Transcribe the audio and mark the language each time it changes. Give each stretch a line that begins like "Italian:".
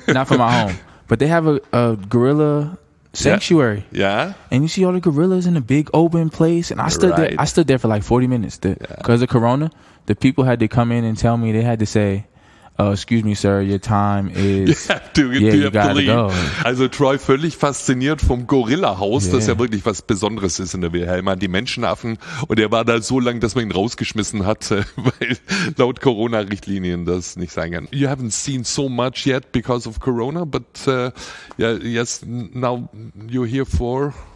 English: Not for my home. But they have a gorilla sanctuary. Yeah. Yeah, and you see all the gorillas in a big open place, and I stood there for like 40 minutes because of Corona. The people had to come in and tell me they had to say. Excuse me, sir, your time is... You gotta go.
German: Also Troy völlig fasziniert vom Gorilla-Haus, das ja wirklich was Besonderes ist in der Wilhelma, die Menschenaffen. Und er war da so lang, dass man ihn rausgeschmissen hat, weil laut Corona-Richtlinien das nicht sein kann.
English: You haven't seen so much yet because of Corona, but now you're here for...